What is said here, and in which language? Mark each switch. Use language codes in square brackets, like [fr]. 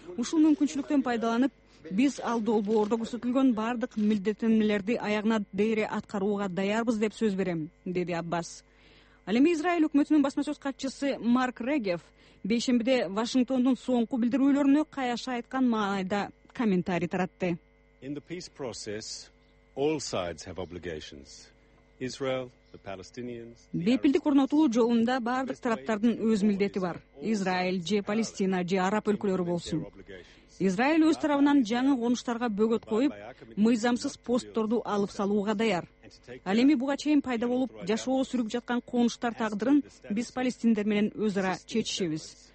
[ky] Ушул мүмкүнчүлүктөн пайдаланып, биз ал долбоордо көрсөтүлгөн бардык милдеттенмелерди аягына дейре аткарууга даярбыз деп сөз берем, деди Аббас. Ал эми Израиль өкмөтүнүн басма сөз катчысы Марк Регев бейшембиде Вашингтондун соңку билдирүүлөрүнө каяша айткан маанайда комментарий таратты. [en] In the peace process, all sides have obligations. Israel, the Palestinians. [ky] Бейпилдик орнотуу жолунда бардык тараптардын өз милдети бар. Израиль же Палестина же араб өлкөлөрү болсун. Израиль өз тарабынан жаңы конуштарга бөгөт коюп, мыйзамсыз постторду алып салууга даяр. Ал эми буга чейин пайда болуп жашоо сүрүп жаткан конуштар тагдырын биз палестиндер менен өз ара чечишебиз.